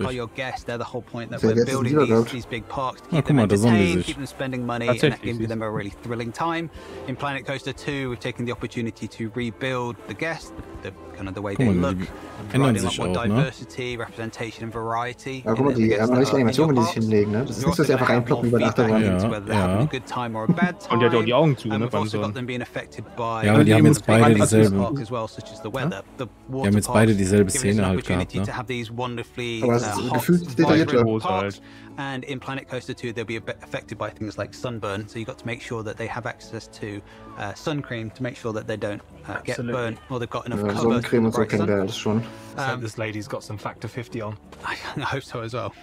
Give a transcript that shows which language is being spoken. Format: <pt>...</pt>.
<en>are your guests. They're the whole point that we're building these big parks to keep them entertained, keep them spending money, and that gives them a really thrilling time. In Planet Coaster 2, we've taken the opportunity to rebuild the guests, the kind of the way they look, providing a lot more diversity, representation, and variety.</en> <de>Ja, aber die haben jetzt beide dieselbe Szene. Szene halt gehabt, ne? Aber es ist gefühlt detaillierter.</de> <en>And in Planet Coaster 2, they'll be affected by things like sunburn, so you've got to make sure that they have access to sun cream to make sure that they don't get burnt or they've got enough cover.</en> <de>Sonnencreme und so kennen wir alles schon.</de> <en>So this lady's got some factor 50 on. I hope so as well.</en>